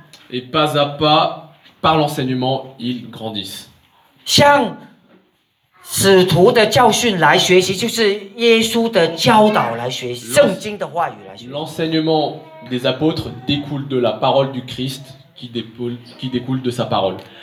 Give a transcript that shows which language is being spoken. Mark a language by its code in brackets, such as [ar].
[fr] Et pas à pas, par l'enseignement, ils grandissent. [zh] 向使徒的教训来学习, 就是耶稣的教导来学习, 圣经的话语来学习。 [fr] L'enseignement des apôtres découle de la parole du Christ qui découle de sa parole.